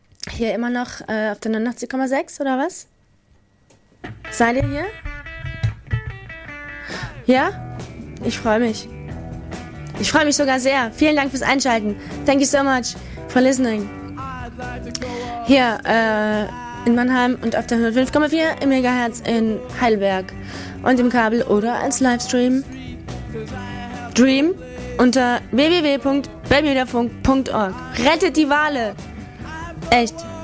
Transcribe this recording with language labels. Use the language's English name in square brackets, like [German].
[German] Hier immer noch auf der 89,6 oder was? Seid ihr hier? Ja? Ich freue mich. Ich freue mich sogar sehr. Vielen Dank fürs Einschalten. [English] Thank you so much for listening. [German] Hier in Mannheim und auf der 105,4 im Megahertz in Heidelberg und im Kabel oder als Livestream. Dream unter www.bermudafunk.org. Rettet die Wale! Echt.